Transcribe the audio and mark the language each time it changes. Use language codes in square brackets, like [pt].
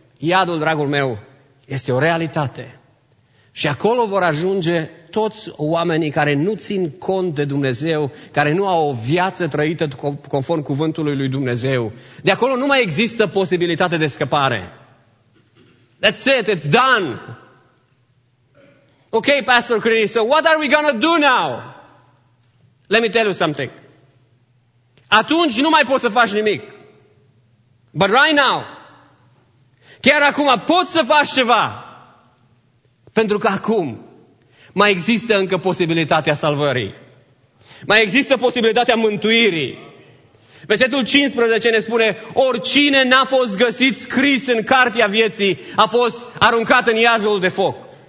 [ro] Iadul, dragul meu, este o realitate. Și acolo vor ajunge toți oamenii care nu țin cont de Dumnezeu, care nu au o viață trăită conform cuvântului lui Dumnezeu. De acolo nu mai există posibilitate de scăpare. [en] That's it, it's done. Ok, Pastor Chris, so what are we gonna do now? Let me tell you something. [ro] Atunci nu mai poți să faci nimic. But right now, chiar acum poți să faci ceva. Pentru că acum mai există încă posibilitatea salvării. Mai există posibilitatea mântuirii. Versetul 15 ne spune, oricine n-a fost găsit scris în cartea vieții, a fost aruncat în iazul de foc.